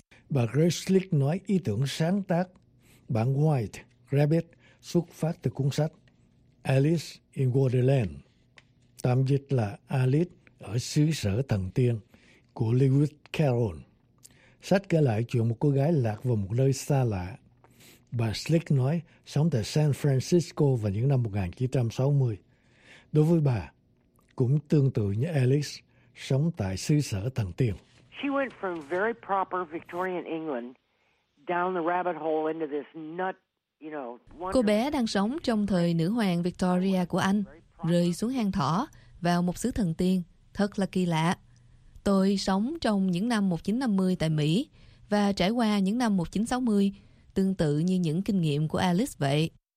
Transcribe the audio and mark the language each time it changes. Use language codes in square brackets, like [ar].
[vi] Bà Grace Slick nói ý tưởng sáng tác bản White Rabbit xuất phát từ cuốn sách Alice in Wonderland, tạm dịch là Alice ở xứ sở thần tiên của Lewis Carroll. Sách kể lại chuyện một cô gái lạc vào một nơi xa lạ. Bà Slick nói sống tại San Francisco vào những năm 1960. Đối với bà, cũng tương tự như Alice sống tại xứ sở thần tiên. [en] She went from very proper Victorian England down the rabbit hole into this nut, you know. [vi] Cô bé đang sống trong thời nữ hoàng Victoria của Anh, rơi xuống hang thỏ vào một xứ thần tiên, thật là kỳ lạ. Tôi sống trong những năm 1950 tại Mỹ và trải qua những năm 1960 tương tự như những kinh nghiệm của Alice vậy.